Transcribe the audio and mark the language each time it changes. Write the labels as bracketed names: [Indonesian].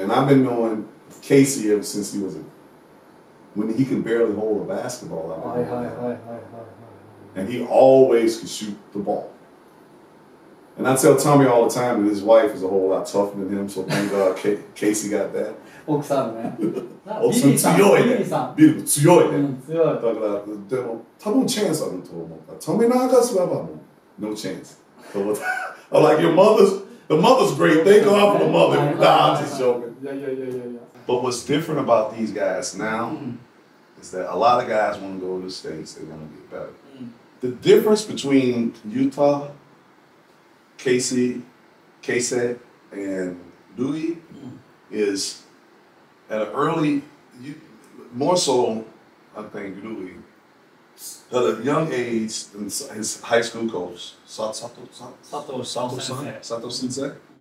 [English] And I've been knowing Casey ever since he was a. When he could barely hold a basketball out. And he always could shoot the ball. And I tell Tommy all the time that his wife is a whole lot tougher than him, so thank God Casey got that. [Japanese] 奥さんね。奥さん強いね。ビリー強いね。だから、でも、多分チャンスあると思う。トミナーがすれば、もう、 [English] no chance。 I like your mother's, the mother's great, thank God for the mother. Nah, I'm just joking. But what's different about these guys now is that a lot of guys want to go to the States, they want to get better. The difference between Utah,Casey, and Louis is at an early, more so, I think, Louis, at a young age, his high school coach, Sato-sensei,